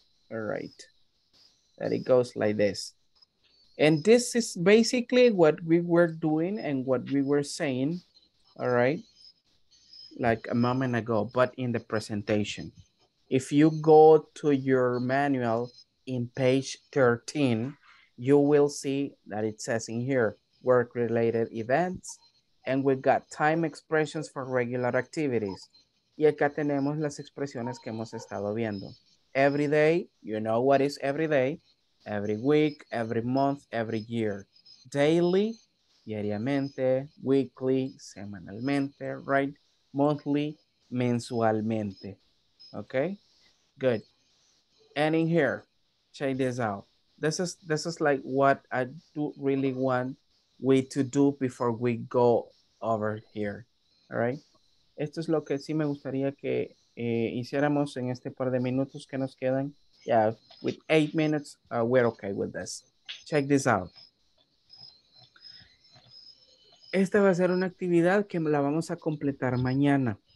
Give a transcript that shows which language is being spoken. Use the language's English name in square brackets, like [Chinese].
[English] All right, that it goes like this. And this is basically what we were doing and what we were saying, all right, like a moment ago, but in the presentation. If you go to your manual, in page 13, you will see that it says in here, work-related events, And we got time expressions for regular activities. [Spanish] Y acá tenemos las expresiones que hemos estado viendo. [English] Every day, you know what is every day. Every week, every month, every year. Daily, diariamente. Weekly, semanalmente, right? Monthly, mensualmente. Okay, good. And in here, check this out. This is like what I do really want we to do before we go over here. All right. [Spanish] Esto es lo que sí me gustaría que hiciéramos en este par de minutos que nos quedan. [English] Yeah, with 8 minutes, we're okay with this. Check this out. [Spanish] Esta va a ser una actividad que la vamos a completar mañana.